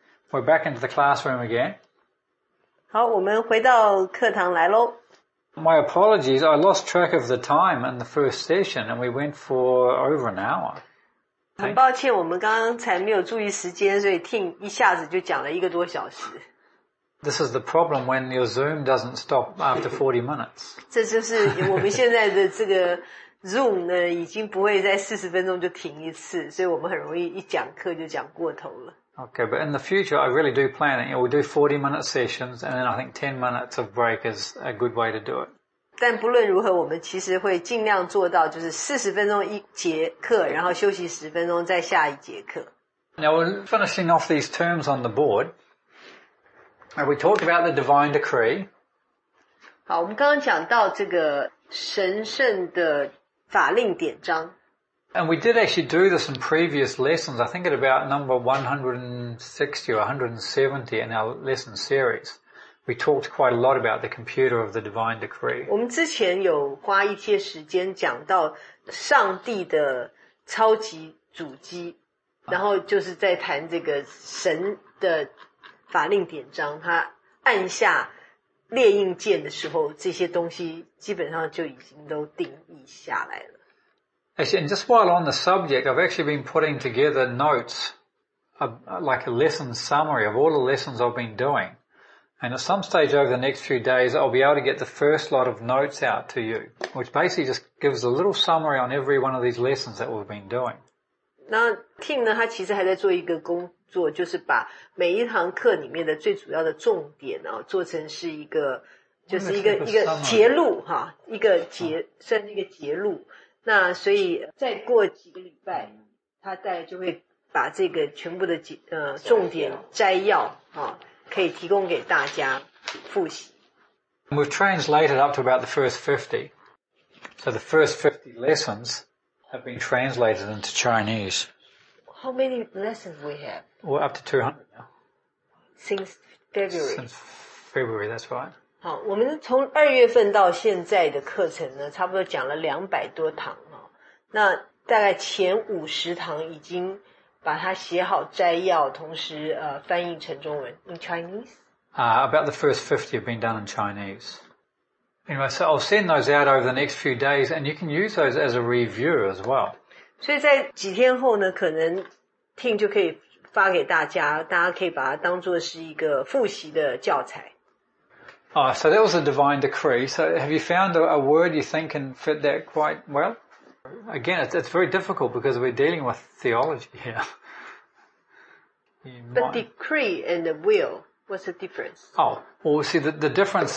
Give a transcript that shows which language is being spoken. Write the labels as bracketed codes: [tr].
[en] We're back into the classroom again. [zh] 好，我们回到课堂来咯。 [en] My apologies, I lost track of the time in the first session and we went for over an hour. [zh] 很抱歉，我们刚刚才没有注意时间，所以听一下子就讲了一个多小时。 [en] This is the problem when your Zoom doesn't stop after 40 minutes. [zh] 这就是我们现在的这个 Zoom 呢，已经不会在40分钟就停一次，所以我们很容易一讲课就讲过头了。 [en] Okay, but in the future, I really do plan it. You know, we do 40-minute sessions, and then I think 10 minutes of break is a good way to do it. [zh] 但不论如何，我们其实会尽量做到，就是40分钟一节课，然后休息10分钟再下一节课。 [en] Now, we're finishing off these terms on the board. And we talk about the divine decree. [zh] 好，我们刚刚讲到这个神圣的法令典章。 [en] And we did actually do this in previous lessons, I think at about number 160 or 170 in our lesson series. We talked quite a lot about the computer of the divine decree. [zh] 我们之前有花一些时间讲到上帝的超级主机，然后就是在谈这个神的法令典章，他按下列印键的时候，这些东西基本上就已经都定义下来了。 [en] Actually, and just while on the subject, I've actually been putting together notes, like a lesson summary of all the lessons I've been doing. And at some stage over the next few days, I'll be able to get the first lot of notes out to you, which basically just gives a little summary on every one of these lessons that we've been doing. [zh] 那 Tim 呢，他其实还在做一个工作，就是把每一堂课里面的最主要的重点啊，做成是一个，就是一个节录哈，一个节，算是一个节录。那所以再过几个礼拜他大概就会把这个全部的重点摘要、哦、可以提供给大家复习。 [en] We've translated up to about the first 50. So the first 50 lessons have been translated into Chinese. How many lessons we have? We're up to 200 now. Since February. Since February, that's right. [zh] 好，我们从二月份到现在的课程呢，差不多讲了200多堂、哦、那大概前50堂已经把它写好摘要，同时翻译成中文 ， [en] in Chinese。 About the first 50 have been done in Chinese. Anyway, so I'll send those out over the next few days, and you can use those as a review as well. [zh] 所以在几天后呢，可能听就可以发给大家，大家可以把它当作是一个复习的教材。 [en] Oh, so that was a divine decree. So have you found a word you think can fit that quite well? Again, it's very difficult because we're dealing with theology here. But decree and the will, what's the difference? Oh, well, see, the difference